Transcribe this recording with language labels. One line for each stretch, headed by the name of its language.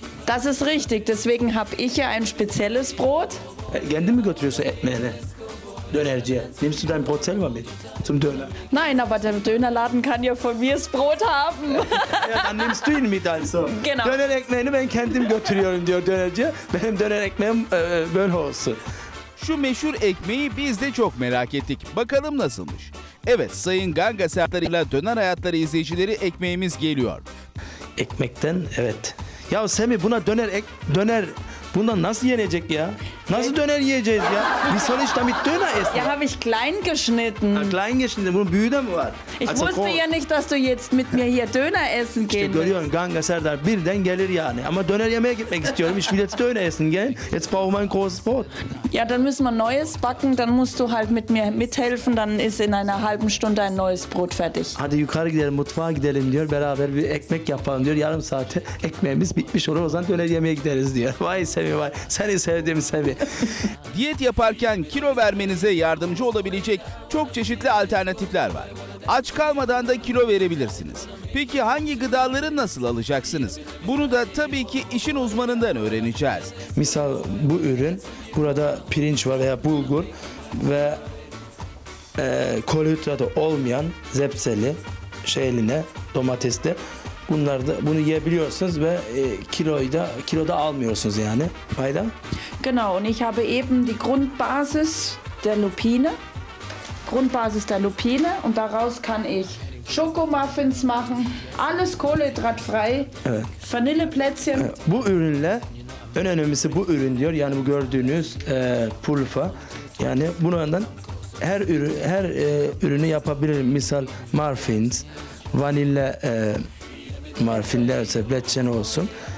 German: Das ist richtig, deswegen habe ich ja ein spezielles Brot.
Turkish: Kendin mi götürüyorsun ekmeğini dönerciye?
German: Nimmst du dein Brot selber mit zum Döner? Nein, aber der Dönerladen kann ja von mir das Brot haben. Ja, dann nimmst du ihn mit also. Genau.
Turkish: Döner ekmeğini ben kendim götürüyorum diyor dönerciye. Benim döner ekmeğim böyle olsun. Şu meşhur ekmeği biz de çok merak ettik. Bakalım nasılmış? Evet, Sayın Ganga Sertler'le Döner Hayatları izleyicileri ekmeğimiz geliyor. Ekmekten evet. Ya Semi buna döner bundan nasıl yenecek ya? Nasıl döner yiyeceğiz ya?
German: Wie soll ich damit Döner essen? Ja, habe ich klein geschnitten. Ha, klein geschnitten,
Turkish: bunun büyüğü de mi var?
German: Ich also, wusste ja nicht, dass du jetzt mit mir hier Döner essen gehen.
Turkish: İşte görüyorsun Ganga Serdar birden gelir yani. Ama döner yemeye gitmek istiyorum.
German: Ich will jetzt Döner essen gehen. Jetzt brauche ich mein großes Brot. Ja, dann müssen wir neues backen. Dann musst du halt mit mir mithelfen. Dann ist in einer halben Stunde ein neues Brot fertig.
Turkish: Hadi yukarı gidelim, mutfağa gidelim diyor. Beraber bir ekmek yapalım diyor. Yarım saate ekmeğimiz bitmiş olur. O zaman döner yemeye gideriz diyor. Vay Semih vay. Seni sevdim Semih. Diyet yaparken kilo vermenize yardımcı olabilecek çok çeşitli alternatifler var. Aç kalmadan da kilo verebilirsiniz. Peki hangi gıdaları nasıl alacaksınız? Bunu da tabii ki işin uzmanından öğreneceğiz. Misal bu ürün, burada pirinç var veya bulgur ve kolhidratı olmayan zebzeli şeyline domatesli. Bunları da bunu yiyebiliyorsunuz ve kiloda almıyorsunuz yani. Fayda?
German: Genau und ich habe eben die Grundbasis der Lupine. Grundbasis der Lupine und daraus kann ich Schokomuffins machen. Alles kohlenhydratfrei.
Turkish: Evet.
German: Vanilleplätzchen.
Turkish: Bu ürünle en önemlisi bu ürün diyor. Yani bu gördüğünüz pulfa. Yani bundan her ürünü yapabilir. Misal muffins, vanilla marfinlerse, plätzchen olsun.